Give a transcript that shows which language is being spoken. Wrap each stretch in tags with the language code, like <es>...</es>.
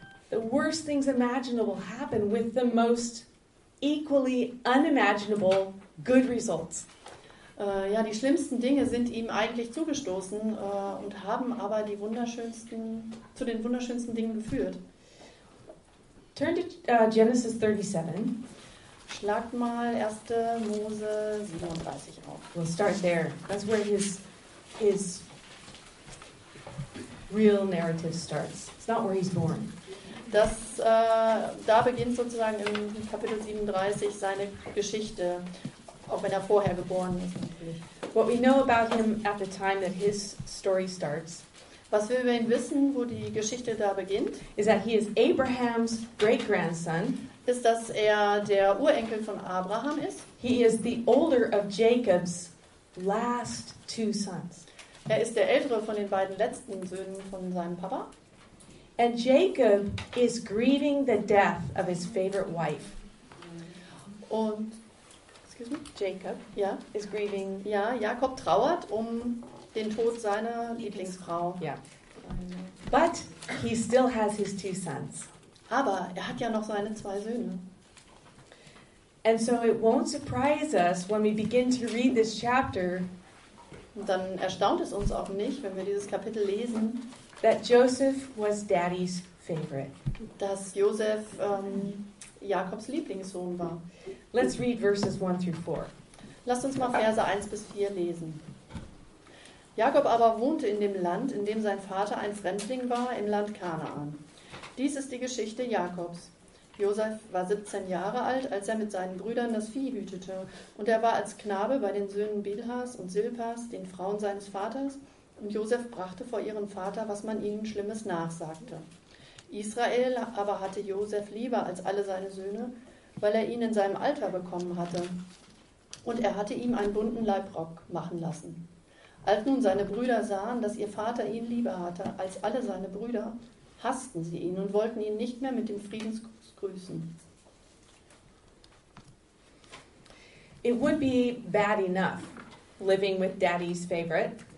<en>The worst things imaginable happen with the most equally unimaginable good results.</en> <de>Ja, die schlimmsten Dinge sind ihm eigentlich zugestoßen und haben aber die wunderschönsten zu den wunderschönsten Dingen geführt.</de> <en>Turn to Genesis 37.</en> <de>Schlagt mal 1. Mose 37 auf.</de> <en>We'll start there. That's where his real narrative starts. It's not where he's born.</en> <de>Das, da beginnt sozusagen im Kapitel 37 seine Geschichte, auch wenn er vorher geboren ist natürlich.</de> <en>What we know about him at the time that his story starts.</en> <de>Was wir über ihn wissen, wo die Geschichte da beginnt,</de> <en>is that he is Abraham's great-grandson.</en> <de>Ist, dass er der Urenkel von Abraham ist.</de> <en>He is the older of Jacob's last two sons.</en> <de>Er ist der ältere von den beiden letzten Söhnen von seinem Papa.</de> <en>And Jacob is grieving the death of his favorite wife.</en> <de>Und</de> <en>Jacob,</en> <de>ja,</de> <en>is grieving.</en> <de>Ja, Jakob trauert um den Tod seiner Lieblingsfrau.</de> <en>Yeah. But he still has his two sons.</en> <de>Aber er hat ja noch seine zwei Söhne.</de> <en>And so it won't surprise us when we begin to read this chapter.</en> <de>Und dann erstaunt es uns auch nicht, wenn wir dieses Kapitel lesen,</de> <en>that Joseph was Daddy's favorite.</en> <de>Dass Joseph Jakobs Lieblingssohn war.</de> <en>Let's read verses 1 through 4.</en> <de>Lasst uns mal Verse 1 bis 4 lesen. Jakob aber wohnte in dem Land, in dem sein Vater ein Fremdling war, im Land Kanaan. Dies ist die Geschichte Jakobs. Joseph war 17 Jahre alt, als er mit seinen Brüdern das Vieh hütete, und er war als Knabe bei den Söhnen Bilhas und Silpas, den Frauen seines Vaters, und Joseph brachte vor ihren Vater, was man ihnen Schlimmes nachsagte. Israel aber hatte Joseph lieber als alle seine Söhne, weil er ihn in seinem Alter bekommen hatte, und er hatte ihm einen bunten Leibrock machen lassen. Als nun seine Brüder sahen, dass ihr Vater ihn lieber hatte als alle seine Brüder, hassten sie ihn und wollten ihn nicht mehr mit dem Friedensgruß grüßen.</de> <en>It would be bad enough living with Daddy's favorite.</en>